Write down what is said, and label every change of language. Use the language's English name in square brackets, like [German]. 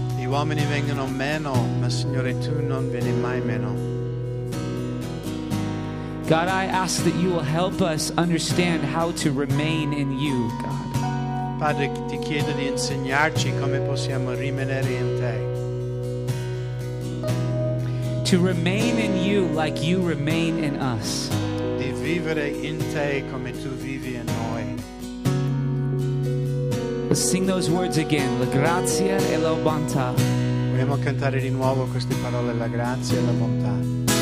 [Italian] I uomini vengono meno, ma Signore tu non vieni mai meno. [English] God, I ask that you will help us understand how to remain in you, God. [Italian] Padre, ti chiedo di insegnarci come possiamo rimanere in te. [English] To remain in you like you remain in us. [Italian] Di vivere in te come tu vivi in noi. [English] Let's sing those words again. [Italian] La grazia e la bontà. Vogliamo cantare di nuovo queste parole, la grazia e la bontà.